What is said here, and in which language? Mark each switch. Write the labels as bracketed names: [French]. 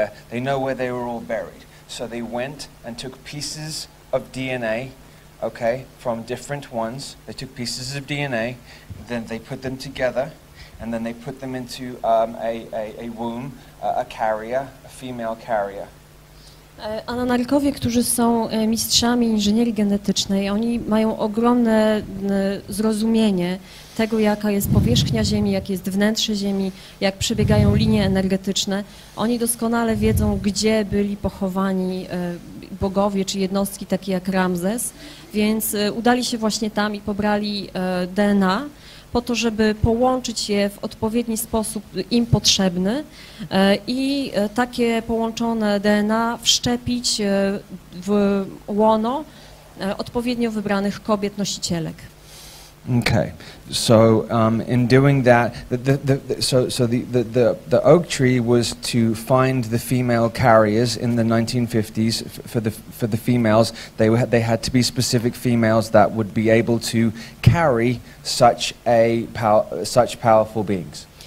[English] They know where they were all buried. So they went and took pieces of DNA, okay, from different ones. They took pieces of DNA, then they put them together, and then they put them into a womb, a carrier, a female carrier. [Polish] Anunnakowie, którzy są mistrzami inżynierii genetycznej, oni mają ogromne zrozumienie tego, jaka jest powierzchnia Ziemi, jakie jest wnętrze Ziemi, jak przebiegają linie energetyczne. Oni doskonale wiedzą, gdzie byli pochowani bogowie czy jednostki takie jak Ramzes, więc udali się właśnie tam i pobrali DNA po to, żeby połączyć je w odpowiedni sposób im potrzebny i takie połączone DNA wszczepić w łono odpowiednio wybranych kobiet nosicielek. [English] Okay, so in doing that, the oak tree was to find the female carriers in the 1950s for the females. They had to be specific females that would be able to carry such powerful beings.